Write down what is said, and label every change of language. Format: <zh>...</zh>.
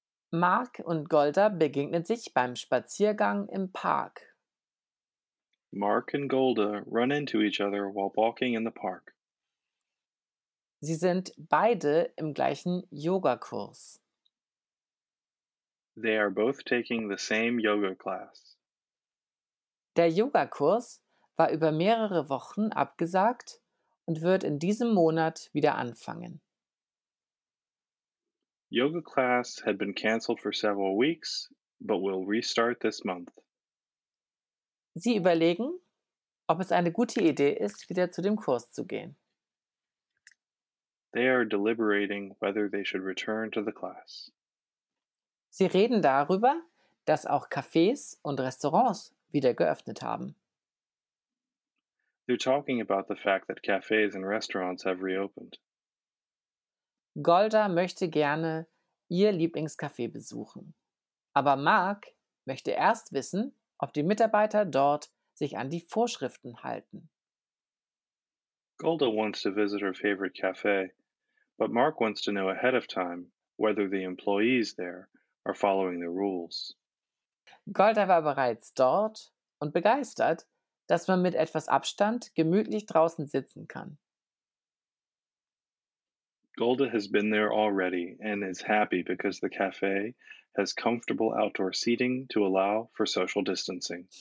<de>Mark und Golda begegnen sich beim Spaziergang im Park.</de> <en>Mark and Golda run into each other while walking in the park.</en> <de>Sie sind beide im gleichen Yoga-Kurs.</de> <en>They are both taking the same yoga class.</en> <de>Der Yoga-Kurs war über mehrere Wochen abgesagt und wird in diesem Monat wieder anfangen.</de> <en>Yoga class had been cancelled for several weeks, but will restart this month.</en> <de>Sie überlegen, ob es eine gute Idee ist, wieder zu dem Kurs zu gehen.</de> <en>They are deliberating whether they should return to the class.</en> <de>Sie reden darüber, dass auch Cafés und Restaurants wieder geöffnet haben.</de> <en>They're talking about the fact that cafes and restaurants have reopened.</en> <de>Golda möchte gerne ihr Lieblingscafé besuchen. Aber Mark möchte erst wissen, ob die Mitarbeiter dort sich an die Vorschriften halten.</de> <en>Golda wants to visit her favorite cafe, but Mark wants to know ahead of time whether the employees there are following the rules.</en> <de>Golda war bereits dort und begeistert, dass man mit etwas Abstand gemütlich draußen sitzen kann.</de> <en>Golda has been there already and is happy because the cafe has comfortable outdoor seating to allow for social distancing.</en>